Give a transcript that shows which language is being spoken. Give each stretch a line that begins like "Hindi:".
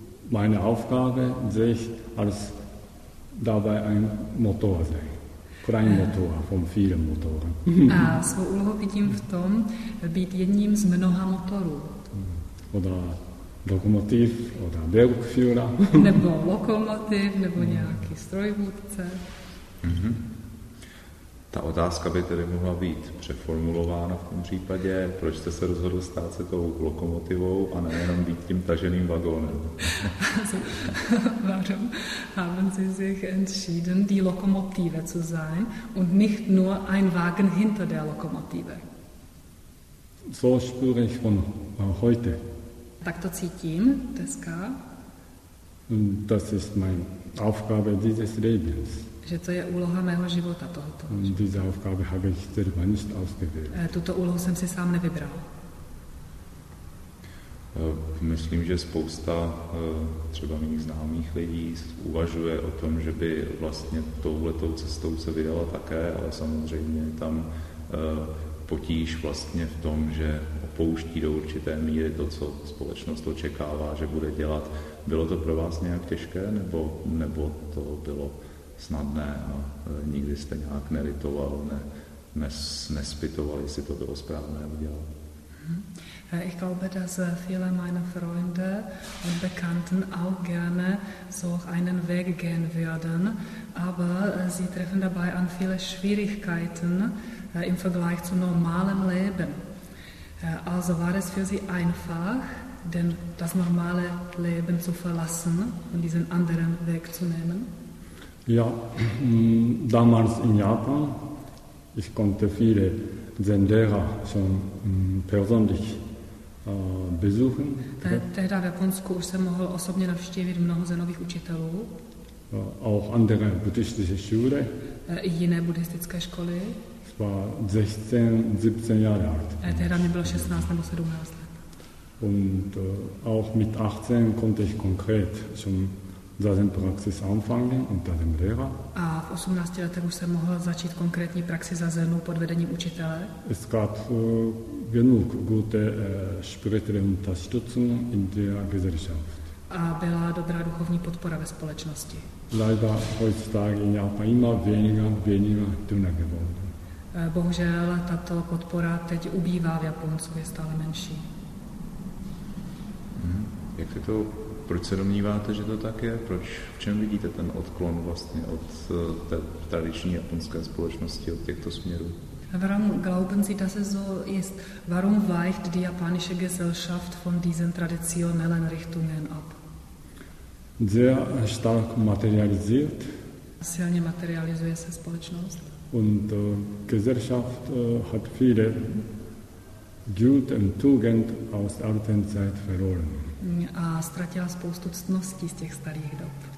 German: Meine Aufgabe sehe ich als dabei ein Motor sein. Kleinmotor von vielen Motoren.
Czech: A svou úlohu vidím v tom, být jedním z mnoha motorů.
German: Oder Lokomotiv, oder Bergführer.
Czech: Nebo lokomotiv, nebo nějaký strojvůdce. Mm-hmm. Ta otázka by tedy mohla být přeformulována v tom případě, proč jste se rozhodl stát se tou lokomotivou a nejenom být tím taženým vagónem.
German: Warum haben Sie sich entschieden, die Lokomotive zu sein und nicht nur ein Wagen hinter der Lokomotive? So spüre ich von heute.
Czech: Tak to cítím dneska.
German: Das ist mein Aufgabe dieses Lebens.
Czech: Že to je úloha mého života tohoto.
German: Diese Aufgabe habe ich selber nicht ausgewählt.
Czech: Tuto úlohu jsem si sám nevybral. Myslím, že spousta třeba mých známých lidí uvažuje o tom, že by vlastně touhletou cestou se vydala také, ale samozřejmě tam potíž vlastně v tom, že opouští do určité míry to, co společnost očekává, že bude dělat. Bylo to pro vás nějak těžké, nebo to bylo snadné a nikdy jste nějak nelitoval, nespitoval, jestli to bylo správné udělat?
German: Ich glaube, dass viele meiner Freunde und Bekannten auch gerne so einen Weg gehen würden, aber sie treffen dabei an viele Schwierigkeiten im Vergleich zu normalem Leben. Also war es für sie einfach, denn das normale Leben zu verlassen und diesen anderen Weg zu nehmen? Ja, damals in Japan, ich konnte viele Zen-Lehrer schon persönlich besuchen.
Czech: Tehda v Japonsku už jsem mohl osobně navštívit mnoho zenových učitelů.
German: Auch andere buddhistische Schule.
Czech: Jiné buddhistické školy.
German: Es war 16, 17 Jahre alt.
Czech: Tehda mi bylo 16 nebo 17 let.
German: Und auch mit 18 konnte ich konkret schon Zazen Praxis anfangen unter dem Lehrer.
Czech: A v 18 letech už jsem mohl začít konkrétní praxi zazenu pod vedením učitele.
German: Es gab genug gute spirituelle Unterstützung in der Gesellschaft.
Czech: A byla dobrá duchovní podpora ve společnosti.
German: Leider heutzutage in Japan immer weniger dünner geworden.
Czech: Bohužel tato podpora teď ubývá v Japonsku, je stále menší. Jak se to Proč se domníváte, že to tak je? Proč, v čem vidíte ten odklon vlastně od té tradiční japonské společnosti, od těchto směrů?
German: Warum glauben Sie, dass es so ist? Warum weicht die japanische Gesellschaft von diesen traditionellen Richtungen ab? sehr stark materialisiert.
Czech: Silně materializuje se společnost.
German: Und Gesellschaft hat viele Güte und Tugend aus der alten Zeit verloren.
Czech: A ztratila spoustu ctností z těch starých dob.